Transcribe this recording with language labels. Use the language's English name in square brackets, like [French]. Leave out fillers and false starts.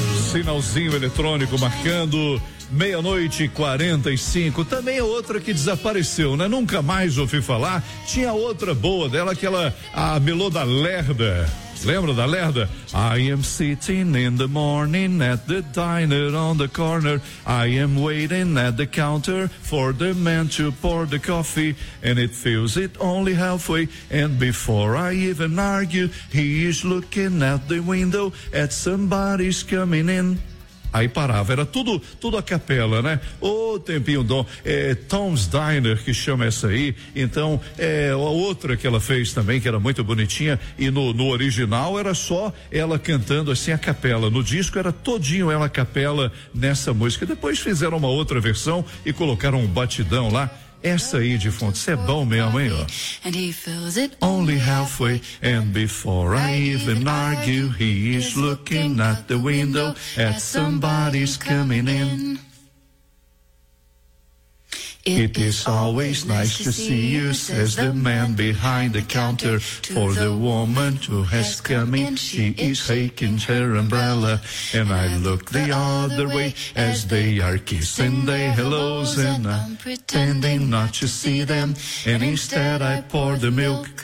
[Portuguese] sinalzinho eletrônico marcando 12:45. Também é outra que desapareceu, né? Nunca mais ouvi falar. Tinha outra boa dela, aquela, a Melô da Lerda. Lembra da Lerda? [English] I am sitting in the morning at the diner on the corner. I am waiting at the counter for the man to pour the coffee. And it fills it only halfway. And before I even argue, he is looking at the window at somebody's coming in. [Portuguese] Aí parava, era tudo a capela, né? Ô, tempinho dom, é Tom's Diner que chama essa aí, então, é a outra que ela fez também, que era muito bonitinha, e no original era só ela cantando assim a capela, no disco era todinho ela a capela nessa música, depois fizeram uma outra versão e colocaram um batidão lá. Essa aí de fundo, isso é bom mesmo, hein, ó. [English] And he fills it only halfway, and before I even argue, he is looking at the window, at somebody's coming in. It is always nice to see you, says the man behind the counter, for the woman who has come in, she is shaking her umbrella, and I look the other way, as they are kissing their hellos, and I'm pretending not to see them, and instead I pour the milk.